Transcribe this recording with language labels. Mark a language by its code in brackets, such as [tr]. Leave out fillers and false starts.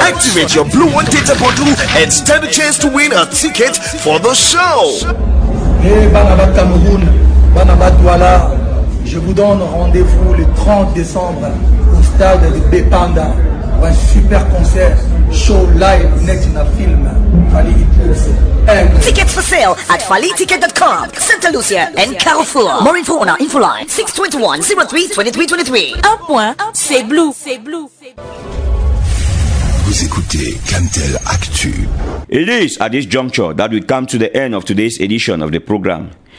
[en] Activate your Blue One data bundle and stand a chance to win a ticket for the show. [fr] Hey, Banabat Cameroun, Banabat Douala, je vous donne rendez-vous le 30 décembre au stade de Bépanda pour un super concert show live next in a film. Fally Ipouse. [en] Tickets for sale at FallyTicket.com, Santa Lucia and Carrefour. More info on our info line 621-03-2323. [fr] Un point, c'est Blue. C'est Blue. Vous écoutez Camtel Actu. [en] It is at this juncture that we come to the end of today's edition of the program.